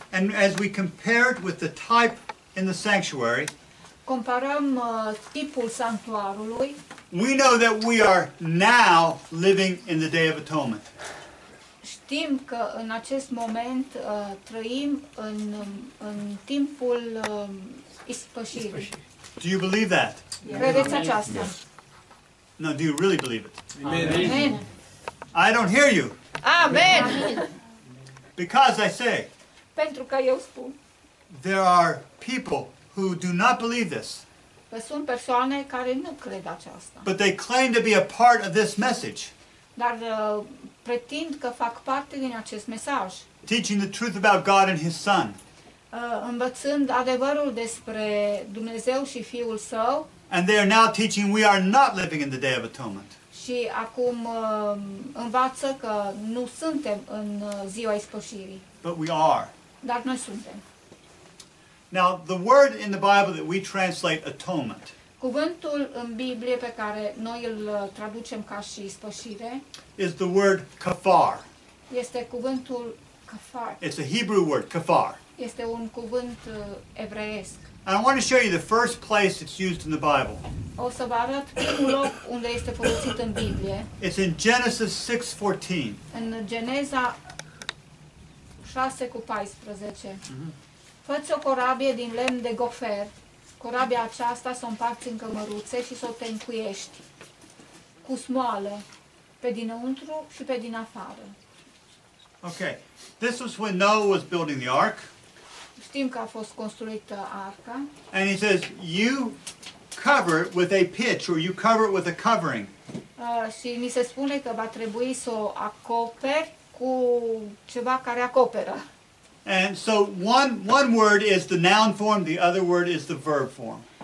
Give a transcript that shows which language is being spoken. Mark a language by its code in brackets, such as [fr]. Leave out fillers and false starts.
[en] and as we compare it with the type in the sanctuary, [ro] comparăm tipul sanctuarului, [en] we know that we are now living in the Day of Atonement. [ro] Știm că în acest moment trăim în timpul ispășirii. [en] Do you believe that? [ro] Credeți aceasta? [en] No, do you really believe it? Amen. I don't hear you. Amen. Because I say, [ro] pentru că eu spun, [en] there are people who do not believe this. [ro] Sunt persoane care nu cred aceasta. [en] But they claim to be a part of this message. [ro] Dar pretind că fac parte din acest mesaj. [en] Teaching the truth about God and His Son. [ro] Învățând adevărul despre Dumnezeu și Fiul Său. [en] And they are now teaching we are not living in the Day of Atonement. [ro] Și acum învață că nu suntem în ziua ispășirii. [en] But we are. [ro] Dar noi suntem. [en] Now, the word in the Bible that we translate atonement. [ro] Cuvântul în Biblie pe care noi îl traducem ca și ispășire [en] is the word kafar. [ro] Este cuvântul kafar. [en] It's a Hebrew word, kafar. [ro] Este un cuvânt evreiesc. [en] And I want to show you the first place it's used in the Bible. [ro] O să vă arăt primul loc unde este folosit în Biblie. [en] It's in Genesis 6:14. [ro] În Geneza 6:14. Mm-hmm. Fă-ți o corabie din lemn de gofer. Corabia aceasta s-o împarți în cămăruțe și s-o tencuiești cu smoale pe dinăuntru și pe din afară. [en] Okay. This was when Noah was building the ark. [ro] Știm că a fost construită arca. [en] And he says, you cover it with a pitch or you cover it with a covering. [ro] Și ni se spune că va trebui să o acoperi cu ceva care acoperă. [en] And so one word is the noun form, the other word is the verb form.